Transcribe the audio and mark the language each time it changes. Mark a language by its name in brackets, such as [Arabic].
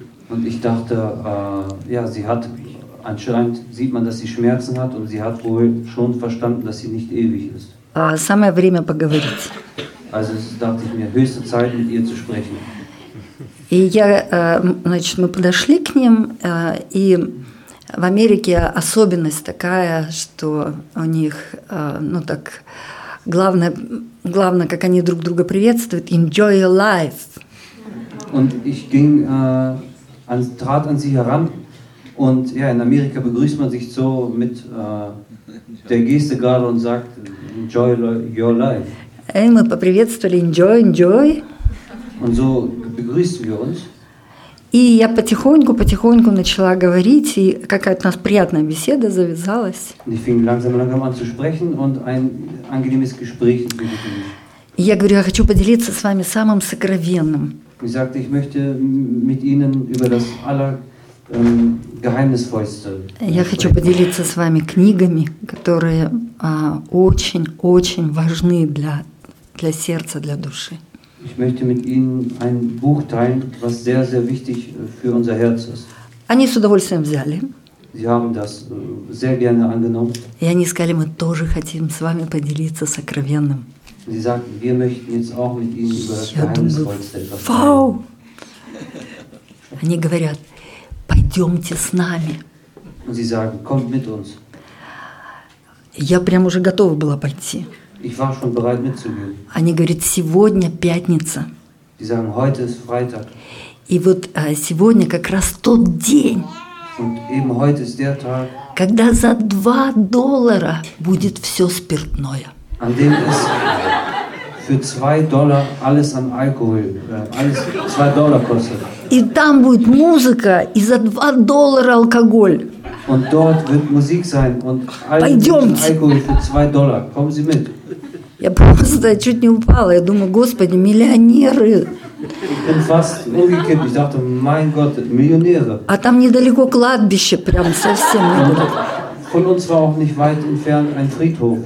[German] Und ich dachte, sie hat anscheinend sieht man, dass sie Schmerzen hat und sie hat wohl schon verstanden, dass sie nicht ewig ist. [Russian] А самое время поговорить. [German] Also dachte ich mir, höchste Zeit mit ihr zu sprechen. [Russian] И я, значит, мы подошли к ним, и в Америке особенность такая, что у них, ну так, главное, как они друг друга приветствуют, [English] enjoy your life. [German] Und ich ging, trat an sie heran, und ja, in Amerika begrüßt man sich so mit der Geste gerade und sagt, [English] enjoy your life. [Russian] И мы поприветствовали, [English] enjoy, enjoy. [German] Und so begrüßt wir uns. [Russian] И я потихоньку начала говорить, и какая-то у нас приятная беседа завязалась. [German] Ich fing langsam an zu sprechen und ein angenehmes Gespräch. [Russian] И я говорю, я хочу поделиться с вами самым сокровенным. [German] Ich sagte, ich möchte mit Ihnen über das Allergeheimnisvollste [Russian] Я хочу поделиться с вами книгами, которые очень-очень важны для сердца, для души. [German] Ich möchte mit Ihnen ein Buch teilen, was sehr, sehr wichtig für unser Herz ist. [Russian] Они с удовольствием взяли. [German] Sie haben das sehr gerne angenommen. [Russian] И они сказали, мы тоже хотим с вами поделиться сокровенным. [German] Sie sagt, wir möchten jetzt auch mit Ihnen über das Geheimnisvollste etwas teilen. [Russian] Они говорят, пойдемте с нами. [German] Und sie sagen, kommt mit uns. [Russian] Я прям уже готова была пойти. [German] Ich war schon bereit mitzugehen. [Russian] Они говорят, сегодня пятница. [German] Sie sagen, heute ist Freitag. [Russian] И вот сегодня как раз тот день, [German] Und eben heute ist der Tag, [Russian] когда за $2 будет все спиртное. [German] An dem ist für $2 alles an Alkohol, alles $2 kostet. [Russian] И там будет музыка, и за $2 алкоголь. [German] Und dort wird Musik sein und Alkohol für $2. Kommen Sie mit. [Russian] Я просто чуть не упала. Я думаю, Господи, миллионеры. [German] Ich bin fast umgekippt. Ich dachte, mein Gott, Millionäre. [Russian] А там недалеко кладбище, прям совсем недалеко. [German] Von uns war auch nicht weit entfernt ein Friedhof.